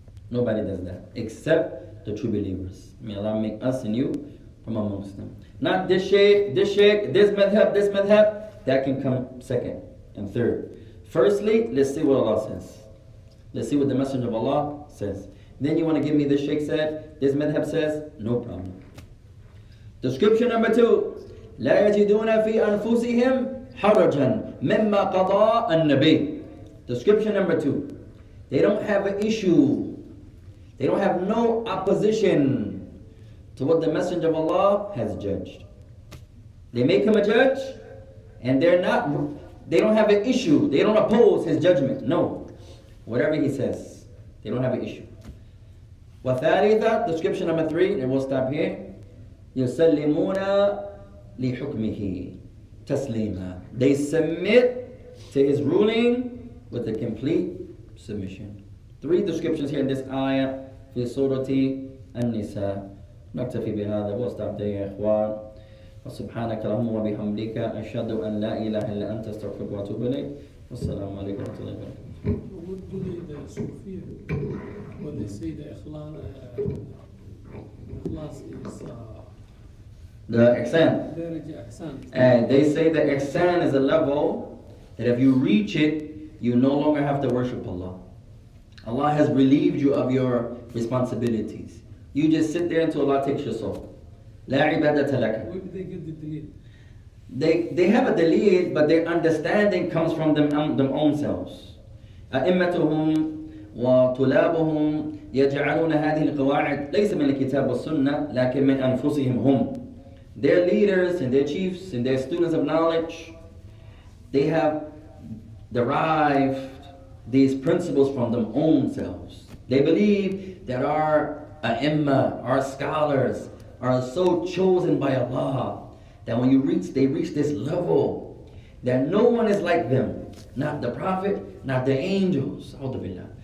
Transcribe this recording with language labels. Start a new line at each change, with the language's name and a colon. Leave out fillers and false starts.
English: Nobody does that except the true believers. May Allah make us and you from amongst them. Not this sheikh, this madhab, that can come second and third. Firstly, let's see what Allah says. Let's see what the Messenger of Allah says. Then you want to give me this sheikh said, this madhab says, no problem. Description number two.
Arabic: لا يجدون في أنفسهم حرجا مما قضى النبي.
English: Description number two. They don't have an issue. They don't have no opposition to what the Messenger of Allah has judged. They make him a judge, and they don't have an issue. They don't oppose his judgment. No. Whatever he says, they don't have an issue. وثالثة, description number three, and we'll stop here.
Arabic: يُسَلِّمُونَ لِحُكْمِهِ تَسْلِيمًا.
English: They submit to his ruling with a complete submission. Three descriptions here in this ayah.
Arabic: في سورة النساء نكتفي بهذا واستعد يا إخوان وسبحانك اللهم وبحمدك أشهد أن لا إله إلا أنت استغفرك واتوب إليك والسلام عليكم ورحمة الله وبركاته.
English: What do the Sufis, when they say the ikhlas is the ihsan, they say the ihsan is a level that if you reach it, you no longer have to worship Allah. Allah has relieved you of your responsibilities. You just sit there until Allah takes your soul.
Arabic: لا عبادة لك.
English: Where did they get the deleed? They have a deleed, but their understanding comes from them own selves.
Arabic: أئمتهم وطلابهم يجعلون هذه القواعد ليس من الكتاب والسنة لكن من أنفسهم هم.
English: Their leaders and their chiefs and their students of knowledge, they have derived these principles from them own selves. They believe that our a'imma, our scholars, are so chosen by Allah that when they reach this level, that no one is like them, not the Prophet, not the angels, alhamdulillah.